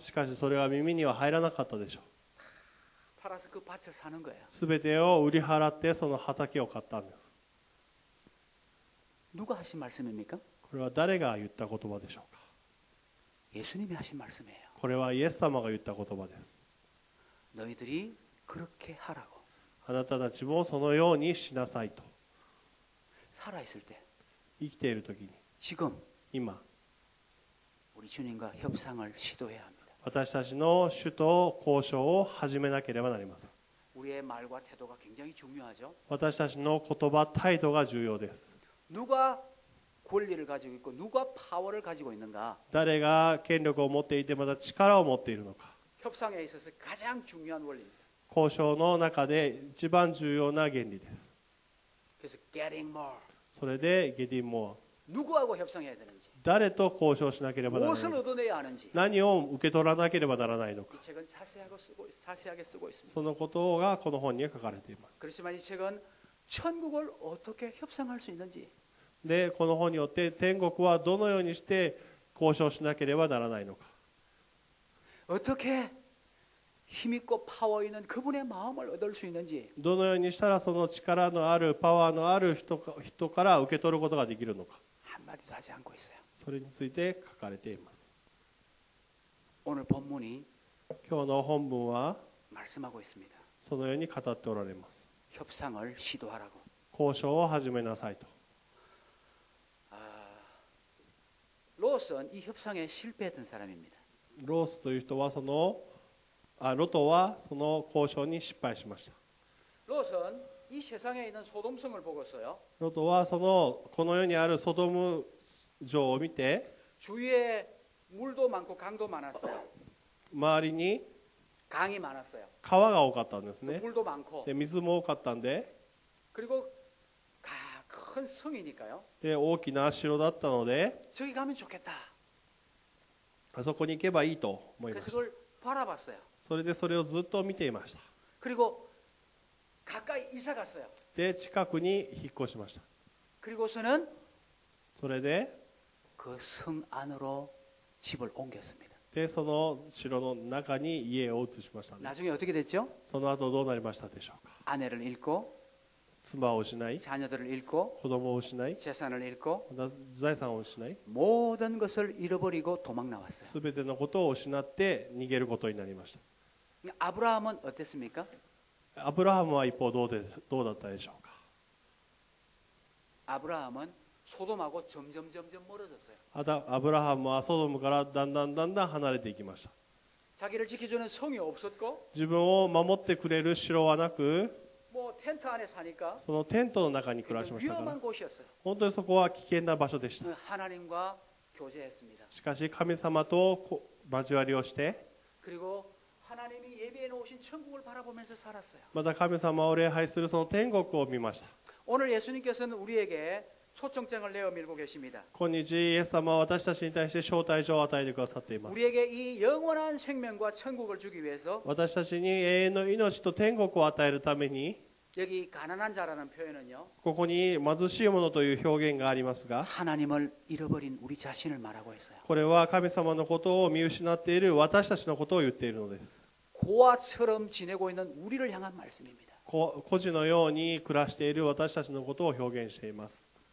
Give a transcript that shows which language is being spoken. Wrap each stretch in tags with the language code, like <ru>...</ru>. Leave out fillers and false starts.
<ja>しかしそれは耳には入らなかったでしょう</ja> <ko>팔아서그밭을사는거예요</ko> <ja>すべてを売り払ってその畑を買ったんです</ja> <ko>누가하신말씀입니까</ko> <ja>これは誰が言った言葉でしょうか</ja> <ko>예수님이하신말씀이에요</ko> <ja>これはイエス様が言った言葉です</ja> <ko>너희들이그렇게하라고</ko> <ja>あなたたちもそのようにしなさいと</ja> <ko>살아있을때</ko> <ja>生きている時に</ja> <ko>지금</ko> <ja>今</ja> <ko>우리주님과협상을시도해야합니다</ko> <ja>私たちの主と交渉を始めなければなりません</ja> <ko>우리의말과태도가굉장히중요하죠</ko> <ja>私たちの言葉態度が重要です</ja> <ko>누가권리를가지고있고누가파워를가지고있는가</ko> <ja>誰が権力を持っていてまた力を持っているのか</ja> <ko>협상에있어서가장중요한원리</ko> <ja>交渉の中で一番重要な原理です</ja> <ko>그래서 getting more</ko> <ja>それで getting more</ja> <ko>누구하고협상해야되는지</ko> <ja>誰と交渉しなければならない</ja> <ko>무엇을얻어내야하는지</ko> <ja>何を受け取らなければならないのか</ja> <ko>이책은자세하게쓰고자세하게쓰고있습니다</ko> <ja>そのことがこの本に書かれています</ja> <ko>그렇지만이책은천국을어떻게협상할수있는지</ko> <ja>でこの本によって天国はどのようにして交渉しなければならないのか</ja> <ko>어떻게힘있고파워있는그분의마음을얻을수있는지</ko> <ja>どのようにしたらその力のあるパワーのある人から受け取ることができるのか</ja> <ko>한마디도하지않고있어요</ko> <ja>それについて書かれています</ja> <ko>오늘본문이</ko> <ja>今日の本文は</ja> <ko>말씀하고있습니다</ko> <ja>そのように語っておられます</ja> <ko>협상을시도하라고</ko> <ja>交渉を始めなさいと</ja> <ko>ロースは이협상에실패했던사람입니다</ko> <ja>ロースという人はそのあロトはその交渉に失敗しました</ja> <ko>ロースは이세상에있는소돔성을보고있어요</ko> <ja>ロトはそのこの世にあるソドム城を見て</ja> <ko>주위에물도많고강도많았어요</ko> <ja>周りに</ja> <ko>강이많았어요</ko> <ja>川が多かったんですね</ja> <ko>물도많고</ko> <ja>で水も多かったんで</ja> <ko>그리고큰성이니까요</ko> <ja>で大きな城だったので</ja> <ko>저기가면좋겠다</ko> <ja>あそこに行けばいいと思いました</ja> <ko>그래서그걸바라봤어요</ko> <ja>それでそれをずっと見ていました</ja> <ko>그리고가까이이사갔어요</ko> <ja>で近くに引っ越しました</ja> <ko>그리고서는</ko> <ja>それで</ja> <ko>그성안으로집을옮겼습니다</ko> <ja>でその城の中に家を移しました</ja> <ko>나중에어떻게됐죠</ko> <ja>その後どうなりましたでしょうか</ja> <ko>아내를잃고</ko> <ja>妻を失い</ja> <ko>자녀들을잃고</ko> <ja>子供を失い</ja> <ko>재산을잃고</ko> <ja>財産を失い</ja> <ko>모든것을잃어버리고도망나왔어요</ko> <ja>すべてのことを失って逃げることになりました</ja> <ko>아브라함은어땠습니까</ko> <ja>아브라함は一方どうだったでしょうか</ja> <ko>아브라함은소돔하고점점멀어졌어요</ko> <ja>아브라함はソドムからだんだん離れていきました</ja> <ko>자기를지키주는성이없었고</ko> <ja>自分を守ってくれる城はなく</ja> <ko>テント안에사니까</ko> <ja>そのテントの中に暮らしましたから</ja> <ko>위험한곳이었어요</ko> <ja>本当にそこは危険な場所でした</ja> <ko>하나님과교제했습니다</ko> <ja>しかし神様と交わりをして</ja> <ko>그리고하나님이예비해놓으신천국을바라보면서살았어요</ko> <ja>また神様を礼拝するその天国を見ました</ja> <ko>오늘예수님께서는우리에게초청장을내어밀고계십니다</ko> <ja>今日イエス様は私たちに対して招待状を与えてくださっています</ja> <ko>우리에게이영원한생명과천국을주기위해서</ko> <ja>私たちに永遠の命と天国を与えるために</ja> <ko>여기가난한자라는표현은요</ko> <ja>ここに貧しいものという表現がありますが</ja> <ko>하나님을잃어버린우리자신을말하고있어요</ko> <ja>これは神様のことを見失っている私たちのことを言っているのです</ja> <ko>고아처럼지내고있는우리를향한말씀입니다</ko> <ja>孤児のように暮らしている私たちのことを表現しています</ja>